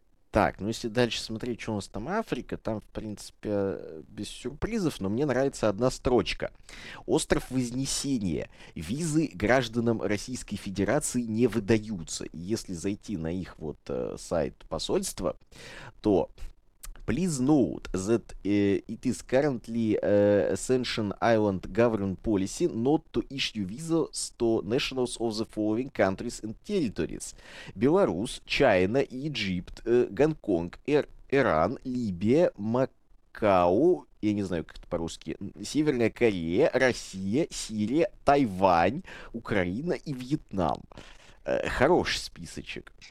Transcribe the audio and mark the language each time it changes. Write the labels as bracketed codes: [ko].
[ru] Так, ну если дальше смотреть, что у нас там Африка, там, в принципе, без сюрпризов, но мне нравится одна строчка. Остров Вознесения. Визы гражданам Российской Федерации не выдаются. И если зайти на их вот сайт посольства, то... [en] Please note that it is currently Ascension Island government policy not to issue visas to nationals of the following countries and territories. [ru] Belarus, China, Egypt, Гонконг, Иран, Либия, Макао, я не знаю, как это по-русски, Северная Корея, Россия, Сирия, Тайвань, Украина и Вьетнам. Хороший списочек.